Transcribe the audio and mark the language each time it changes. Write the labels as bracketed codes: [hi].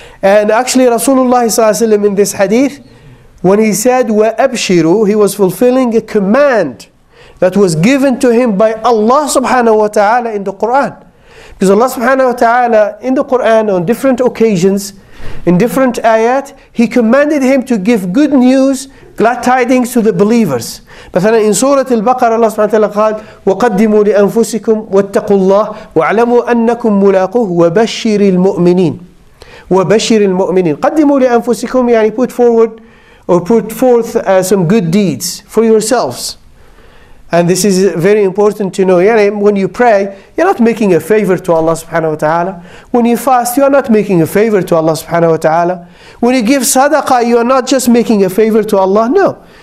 [en] And actually Rasulullah ﷺ in this hadith, when he said [ar] وَأَبْشِرُوا, [en] he was fulfilling a command that was given to him by Allah subhanahu wa ta'ala in the Quran. Because Allah subhanahu wa ta'ala in the Quran on different occasions, in different ayat, He commanded him to give good news, glad tidings to the believers. [ar] مثلا [en] in Surah Al-Baqarah, Allah subhanahu wa ta'ala [ar] قال وَقَدِّمُوا لِأَنفُسِكُمْ وَاتَّقُوا اللَّهِ وَعْلَمُوا أَنَّكُمْ مُلَاقُهُ وَبَشِّرِ الْمُؤْمِنِينَ وَبَشِّرِ الْمُؤْمِنِينَ. قَدِّمُوا لِأَنفُسِكُمْ, يعني [en] put forward or put forth some good deeds for yourselves. And this is very important to know. Yani when you pray, you're not making a favor to Allah subhanahu wa ta'ala. When you fast, you are not making a favor to Allah subhanahu wa ta'ala. When you give sadaqah, you are not just making a favor to Allah. No.